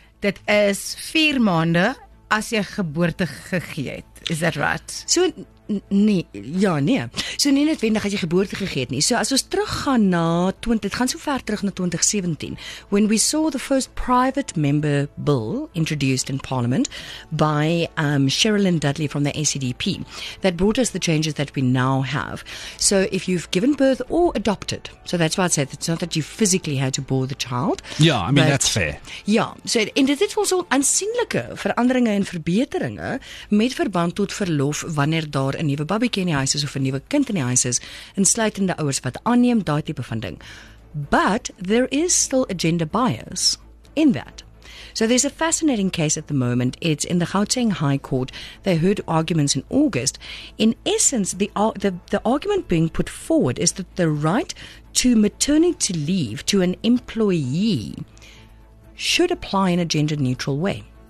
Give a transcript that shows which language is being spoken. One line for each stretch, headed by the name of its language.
Afrikaans: Dit is 4 maande as jy geboorte gegee het.
English: Is that right?
Afrikaans: So, nee. So, nie noodwendig as jy geboorte gegee het nie.
English: So,
Afrikaans: as ons teruggaan na 20, gaan so ver terug na 2017,
English: when we saw the first private member bill introduced in Parliament by Sherilyn Dudley from the ACDP, that brought us the changes that we now have. So, if you've given birth or adopted, so that's why I said it's not that you physically had to bore the child. Yeah, I mean, but, that's fair. Yeah.
Afrikaans: So, and dit was al aansienlike veranderinge en verbeteringe met verband tot verlof wanneer daar een nieuwe babiekie in die huis is of een nieuwe kind in die huis is, insluitende ouders wat aanneem, die type van ding.
English: But there is still a gender bias in that. So there's a fascinating case at the moment. It's in the Gauteng High Court. They heard arguments in August. In essence, the argument being put forward is that the right to maternity leave to an employee should apply in a gender-neutral way.